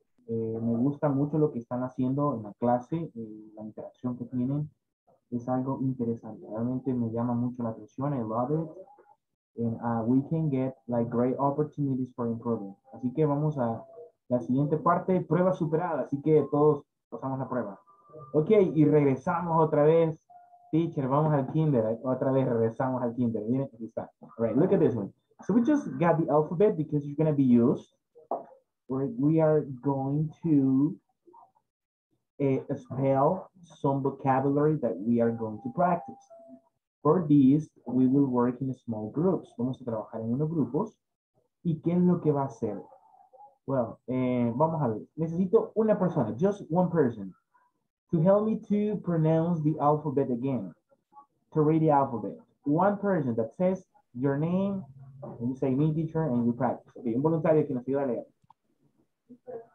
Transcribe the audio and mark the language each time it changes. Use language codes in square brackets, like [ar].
[es] Me gusta mucho lo que están haciendo en la clase, la interacción que tienen. Es algo interesante. Realmente me llama mucho la atención. [en] I love it. And we can get like great opportunities for improving. [es] Así que vamos a la siguiente parte, prueba superada. Así que todos pasamos la prueba. Okay, y regresamos otra vez. Teacher, vamos al kinder. Otra vez regresamos al kinder. Miren, aquí está. [en] All right, look at this one. So we just got the alphabet because it's going to be used. We are going to spell some vocabulary that we are going to practice. For this, we will work in small groups. [es] Vamos a trabajar en unos grupos. ¿Y qué es lo que va a hacer? Well, vamos a ver. Necesito una persona, [en] just one person. To help me to pronounce the alphabet again, to read the alphabet. One person that says your name, and you say me, teacher, and you practice. [es] Okay, un voluntario que nos ayuda a leer.